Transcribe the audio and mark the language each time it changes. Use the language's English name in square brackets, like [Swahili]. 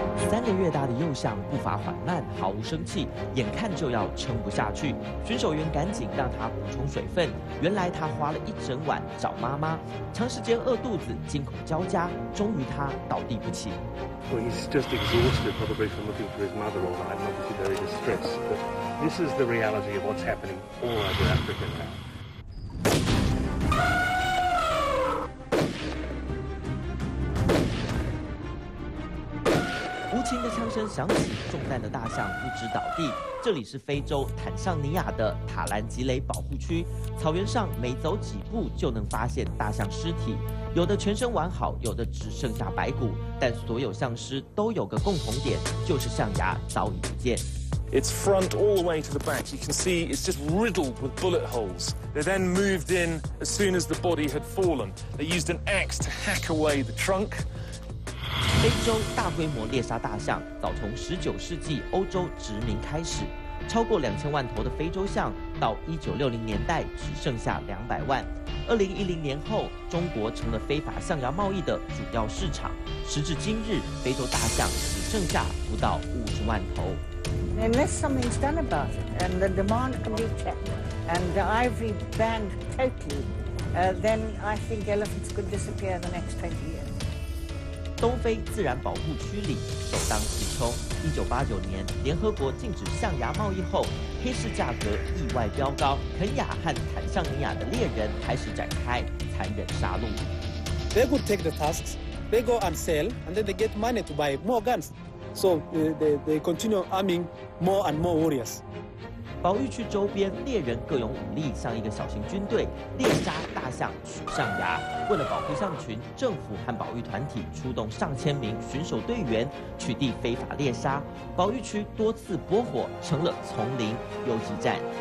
[Chinese] 3个月大的幼象步伐缓慢，毫无生气，眼看就要撑不下去，巡守员赶紧让他补充水分。原来他花了一整晚找妈妈，长时间饿肚子，惊恐交加，终于他倒地不起。 [English] Well, he's just exhausted, probably from looking for his mother all night, and obviously very distressed. But this is the reality of what's happening all over Africa now. [Chinese] 轻的枪声响起，中弹的大象不止倒地。这里是非洲坦桑尼亚的塔兰吉雷保护区，草原上每走几步就能发现大象尸体，有的全身完好，有的只剩下白骨。但所有象尸都有个共同点，就是象牙早已不见。 [English] It's front all the way to the back. You can see it's just riddled with bullet holes. They then moved in as soon as the body had fallen. They used an axe to hack away the trunk. [Chinese] 非洲大规模猎杀大象早从19世纪欧洲殖民开始，超过2000万头的非洲象到1960年代只剩下200万。 2010年后，中国成了非法象牙贸易的主要市场。时至今日，非洲大象只剩下不到50万头。 [English] Unless something's done about it and the demand can be checked and the ivory banned totally, then I think elephants could disappear the next 20 years. [Chinese] 东非自然保护区里首当其冲。1989年联合国禁止象牙贸易后，黑市价格意外飙高，肯亚和坦桑尼亚的猎人开始展开残忍杀戮。 [English] They would take the tusks, they go and sell, and then they get money to buy more guns. So they continue arming more and more warriors. [Chinese] 保育区周边猎人各用武力，像一个小型军队猎杀大象、取象牙。为了保护象群，政府和保育团体出动上千名巡守队员取缔非法猎杀，保育区多次拨火，成了丛林游击战。